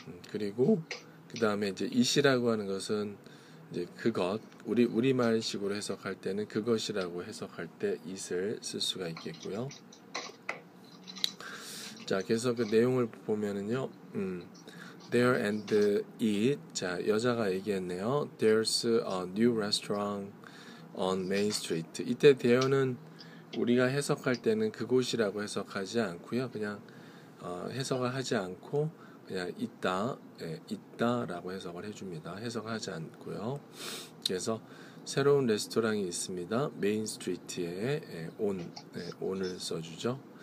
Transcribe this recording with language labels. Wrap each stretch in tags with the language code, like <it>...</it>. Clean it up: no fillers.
<ko>그리고 그 다음에 이제 it이라고 하는 것은 이제 그것, 우리 말식으로 해석할 때는 그것이라고 해석할 때 it을 쓸 수가 있겠고요. 자, 그래서 그 내용을 보면은요,</ko> <en>there and it.</en> <ko>자, 여자가 얘기했네요.</ko> <en>There's a new restaurant on Main Street.</en> <ko>이때 there는 우리가 해석할 때는 그곳이라고 해석하지 않고요. 그냥 해석을 하지 않고 그냥 있다, 예, 있다 라고 해석을 해줍니다. 해석을 하지 않고요. 그래서 새로운 레스토랑이 있습니다. 메인 스트리트에 온을 써주죠.</ko>